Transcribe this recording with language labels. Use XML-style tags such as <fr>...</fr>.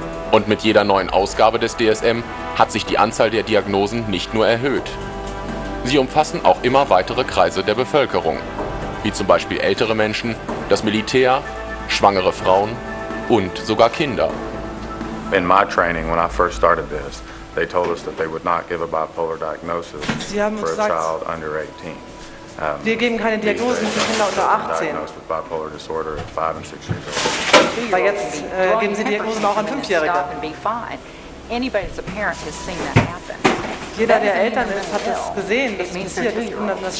<de>Und mit jeder neuen Ausgabe des DSM hat sich die Anzahl der Diagnosen nicht nur erhöht. Sie umfassen auch immer weitere Kreise der Bevölkerung, wie zum Beispiel ältere Menschen, das Militär, schwangere Frauen und sogar Kinder.</de> <en>In my training, when I first started this, they told us that they would not give a bipolar diagnosis for a child under 18.</en> <de>Wir geben keine Diagnosen für Kinder unter 18.</de> <en>Bipolar disorder at 5 and 6 years old.</en> <de>Aber jetzt geben sie Diagnosen auch an 5-Jährige.</de> <en>Anybody that's a parent has seen that happen.</en> <de>Jeder, der Eltern ist, hat das gesehen, das passiert, das</de>